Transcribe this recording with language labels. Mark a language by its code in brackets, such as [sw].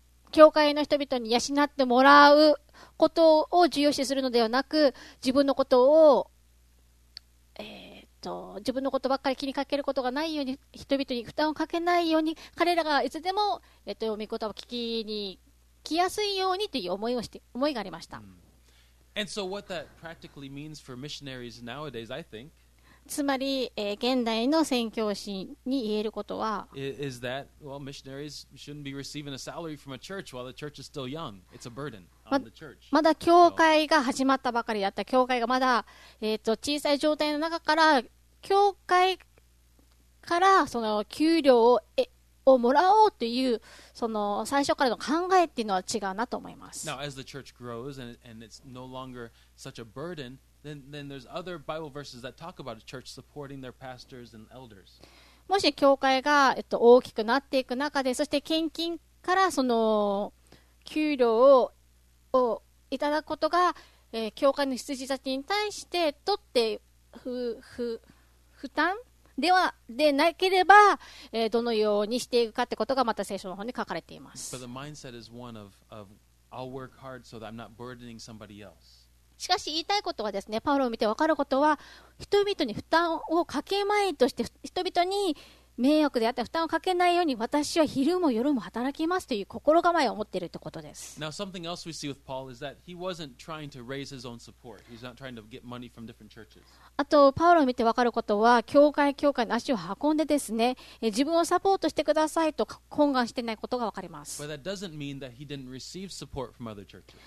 [ja] 教会の人々に養ってもらうことを重要視するのではなく、自分のことを、自分のことばっかり気にかけることがないように、人々に負担をかけないように、彼らがいつでも、御言葉を聞きに来やすいようにという思いをして、思いがありました。 [en] And so what that practically means for missionaries nowadays, I think, [ja] つまり、現代の宣教師に言えることは、 [en] is that, well, missionaries shouldn't be receiving a salary from a church while the church is still young. It's a burden on the church. [ja] まだ教会が始まったばかりだった。教会がまだ、小さい状態の中から、教会からその給料 をもらおうという、その最初からの考えっていうのは違うなと思います。 [en] Now, as the church grows and it's no longer such a burden,Then there's other Bible verses that talk about a church supporting their pastors and elders. [ja] もし教会が、大きくなっていく中で、そして献金からその給料 をいただくことが、教会の羊たちに対して取って負担ではでなければ、どのようにしていくかってことがまた聖書の方に書かれています。 [en] But the mindset is one of I'll work hard so that I'm not burdening somebody else. [ja] しかし言いたいことはですね、パウロを見て分かることは、人々に負担をかけまいとして、人々に迷惑であったら負担をかけないように、私は昼も夜も働きますという心構えを持っているということです。 [en] Now, something else we see with Paul is that he wasn't trying to raise his own support. He's not trying to get money from different churches. [ja] あと、パウロを見て分かることは、教会の足を運んでですね、自分をサポートしてくださいと懇願していないことが分かります。 [en] But that doesn't mean that he didn't receive support from other churches.